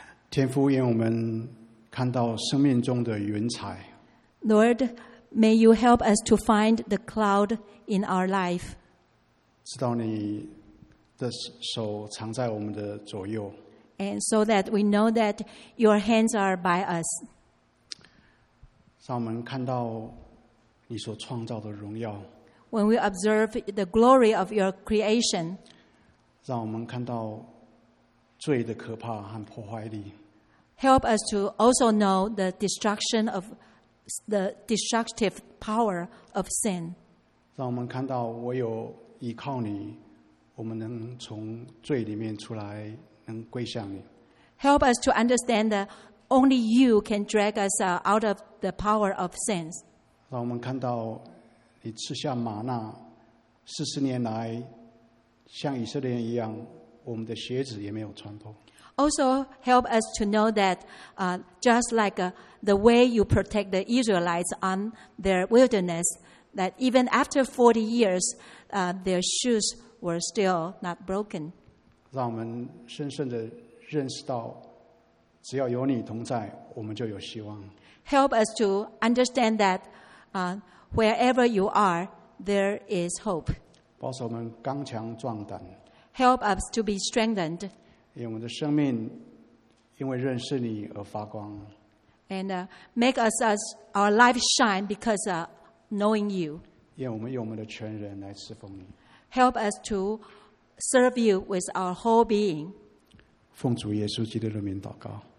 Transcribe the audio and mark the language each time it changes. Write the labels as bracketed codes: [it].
[zh] 天父，愿我们看到生命中的云彩。 [en] Lord, may you help us to find the cloud in our life. [zh] 知道你的手藏在我们的左右。 [en] And so that we know that your hands are by us. [zh] 让我们看到你所创造的荣耀。 [en] When we observe the glory of your creation, [zh] 让我们看到罪的可怕和破坏力。 [en] Help us to also know the destruction of the destructive power of sin. [zh] 让我们看到唯有依靠你，我们能从罪里面出来，能归向你。 [en] Help us to understand that only you can drag us out of the power of sin. [zh] 让我们看到你吃下玛纳，四十年来，像以色列人一样，我们的鞋子也没有穿破。 [en] Also help us to know that, just like the way you protect the Israelites on their wilderness, that even after 40 years, their shoes were still not broken. [zh] 让我们深深的认识到，只要有你同在，我们就有希望。 [en] Help us to understand that, Wherever you are, there is hope. [zh] 保守我们刚强壮胆。 [en] Help us to be strengthened. [zh] 因为我们的生命因为认识你而发光。 [en] And make us as our life shine because of knowing you. [zh] 因为我们用我们的全人来侍奉你。 [en] Help us to serve you with our whole being. [zh] 奉主耶稣基督的名祷告。